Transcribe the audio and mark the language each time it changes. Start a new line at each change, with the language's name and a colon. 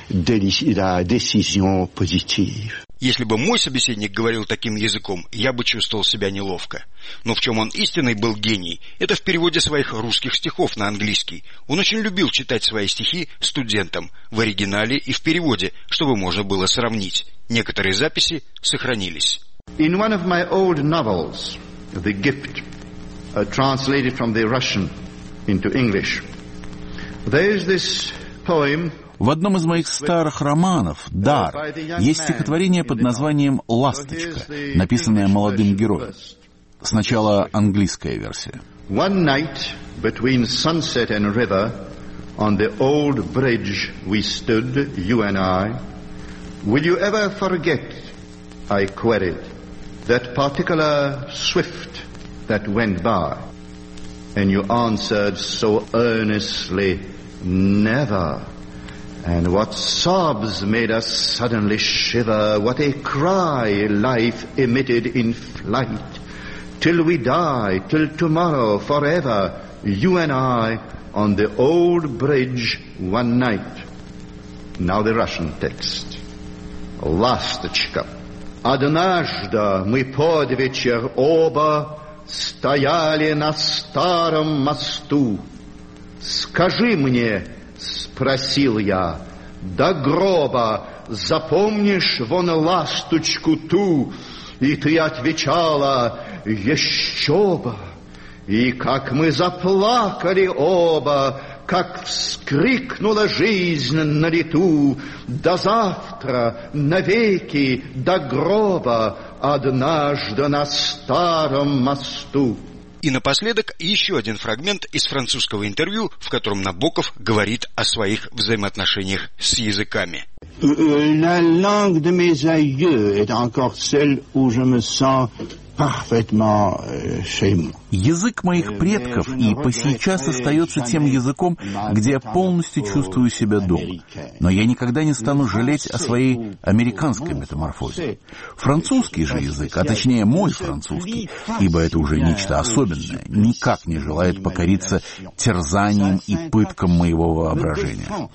Russian: Если бы мой собеседник говорил таким языком, я бы чувствовал себя неловко. Но в чем он истинный был гений, это в переводе своих русских стихов на английский. Он очень любил читать свои стихи студентам в оригинале и в переводе, чтобы можно было сравнить. Некоторые записи сохранились.
English: In one of my old novels, The Gift, translated from the Russian into English, there is this poem.
Russian: В одном из моих старых романов «Дар» есть стихотворение под названием «Ласточка», написанное молодым героем. Сначала английская версия.
English: One night between sunset and river, on the old bridge we stood, you and I. Will you ever forget, I queried, that particular swift that went by? And you answered so earnestly, never. And what sobs made us suddenly shiver, what a cry life emitted in flight, till we die, till tomorrow, forever, you and I, on the old bridge, one night. Now the Russian text.
Russian: Ласточка. Однажды мы под вечер оба стояли на старом мосту. Скажи мне, спросил я, до гроба запомнишь вон ласточку ту? И ты отвечала, еще бы. И как мы заплакали оба, как вскрикнула жизнь на лету. До завтра, навеки, до гроба, однажды на старом мосту. И напоследок еще один фрагмент из французского интервью, в котором Набоков говорит о своих взаимоотношениях с языками.
French: La langue de mes aïeux est encore celle où je me sens parfaitement chez moi.
Russian: Язык моих предков и по сейчас остается тем языком, где я полностью чувствую себя дома. Но я никогда не стану жалеть о своей американской метаморфозе. Французский же язык, а точнее мой французский, ибо это уже нечто особенное, никак не желает покориться терзанием и пыткам моего воображения.